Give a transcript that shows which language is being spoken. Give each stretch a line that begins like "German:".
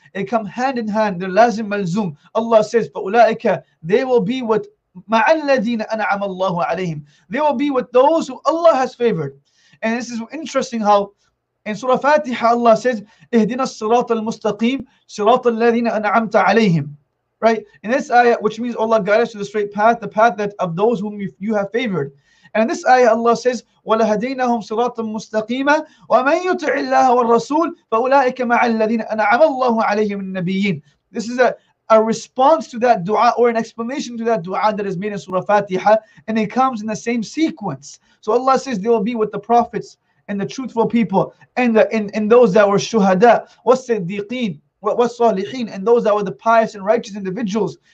English: They come hand in hand. They're lazim malzum. Allah says, فَأُولَٰئِكَ, they will be with
Arabic: مَعَ الَّذِينَ أَنْعَمَ اللَّهُ عَلَيْهِمْ,
English: they will be with those who Allah has favored. And this is interesting how in Surah Fatiha Allah says,
Arabic: اهدنا الصراط المستقيم صراط الذين أنعمت عليهم.
English: Right? In this ayah, which means Allah guide us to the straight path, the path that of those whom you have favored. And in this ayah Allah says,
Arabic: ولهديناهم صراطا مستقيما ومن يطع الله والرسول فأولئك مع الذين أنعم الله عليهم النبيين.
English: This is a response to that dua, or an explanation to that dua that is made in Surah Fatiha, and it comes in the same sequence. So Allah says they will be with the prophets and the truthful people and those that were shuhada, was-siddiqeen, was-salihin, and those that were the pious and righteous individuals.